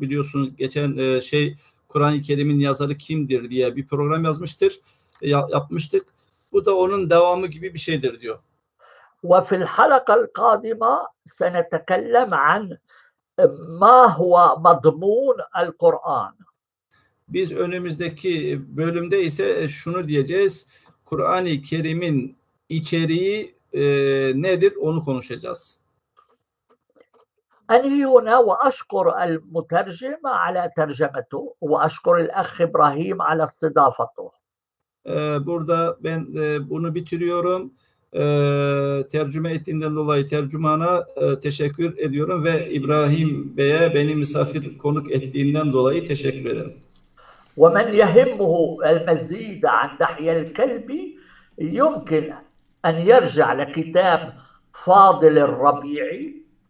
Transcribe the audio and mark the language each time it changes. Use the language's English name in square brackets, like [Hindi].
[Turkish] Biliyorsunuz geçen Kur'an-ı Kerim'in yazarı kimdir diye bir program yazmıştır. Yapmıştık. Bu da onun devamı gibi bir şeydir diyor. [Arabic] وفي الحلقة القادمة سنتكلم عن ما هو مضمون القرآن. [Turkish] Biz önümüzdeki bölümde ise şunu diyeceğiz. Kur'an-ı Kerim'in içeriği nedir onu konuşacağız. [Arabic] أنهي هنا وأشكر المترجم على ترجمته وأشكر الأخ إبراهيم على استضافته. [Turkish] Burada ben bunu bitiriyorum. Tercüme ettiğinden dolayı tercümana teşekkür ediyorum ve İbrahim Bey'e beni misafir konuk ettiğinden dolayı teşekkür ederim. [Arabic] وَمَنْ يَهِمُّهُ الْمَزِيدَ عَنْ دَحْيَ الْكَلْبِ يُمْكِنْ أَنْ يَرْجَعْ لَكِتَابْ فَاضِلِ الرَّبِيعِ.